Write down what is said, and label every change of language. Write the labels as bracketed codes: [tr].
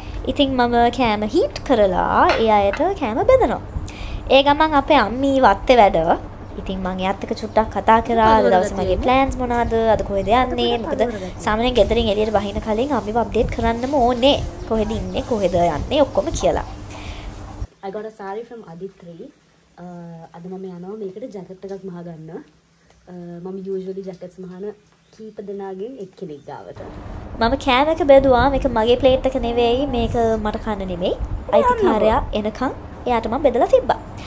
[si] ඉතින් මම කෑම හීට් කරලා ඒ අයට කෑම බෙදනවා. ඒ ගමන් අපේ අම්මී වත්තේ වැඩ. ඉතින් මං එයාත් එක්ක චුට්ටක් කතා කරා. අද දවසේ මගේ ප්ලෑන්ස් මොනවද, අද කොහෙද යන්නේ. මොකද සාමාන්‍යයෙන් ගෙදරින් එළියට බහින කලින් අම්මීව අප්ඩේට් කරන්නම ඕනේ, කොහෙද ඉන්නේ, කොහෙද යන්නේ ඔක්කොම කියලා. [en] I got a saree from Aditri. [si] අද මම යනවා මේකට ජැකට් එකක් මහා ගන්න. මම යූෂුවලි ජැකට්ස් මහාන කීප දෙනාගෙන් එක්කෙනෙක් ගාවට. මම කෑම එක බෙදුවා. මේක මගේ ප්ලේට් එක නෙවෙයි, මේක මට කන්න නෙමෙයි. අයිතිකාරයා එනකන් එයාට මම බෙදලා තිබ්බා.